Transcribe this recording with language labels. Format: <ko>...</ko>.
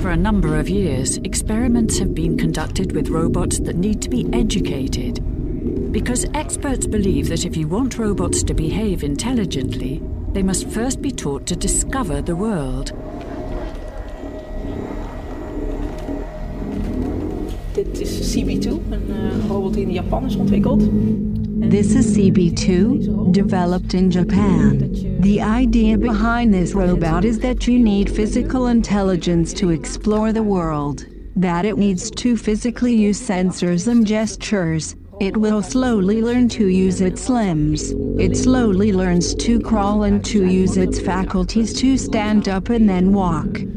<en>For a number of years, experiments have been conducted with robots that need to be educated. Because experts believe that if you want robots to behave intelligently, they must first be taught to discover the world. The</en> <nl>Dit is CB2, een robot die in Japan is ontwikkeld.</nl> <en>This is CB2, developed in Japan. The idea behind this robot is that you need physical intelligence to explore the world. That it needs to physically use sensors and gestures. It will slowly learn to use its limbs. It slowly learns to crawl and to use its faculties to stand up and then walk.</en>